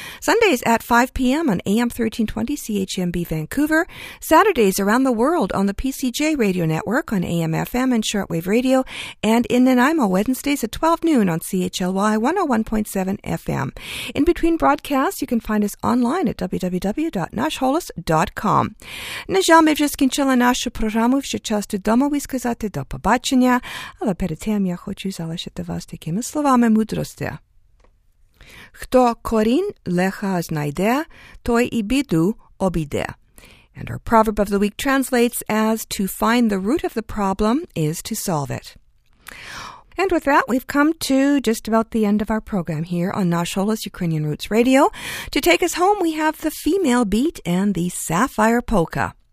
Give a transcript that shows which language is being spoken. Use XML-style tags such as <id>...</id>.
<en>Sundays at 5 p.m. on AM 1320 CHMB Vancouver. Saturdays around the world on the PCJ Radio Network on AM, FM, and shortwave radio. And in Nanaimo, Wednesdays at 12 noon on CHLY 101.7 FM. In between broadcasts, you can find us online at www.nashholos.com.</en> <uk>На жаль, ми вже скінчили нашу програму, що часто дома ви сказати до побачення, але перед тим я хочу залишити вас таки такими словами мудрості. Хто корінь лиха знайде, той і біду обійде.</uk> <en>And our proverb of the week translates as, to find the root of the problem is to solve it. And with that, we've come to just about the end of our program here on Nash Holos Ukrainian Roots Radio. To take us home, we have the female beat and the sapphire polka.</en>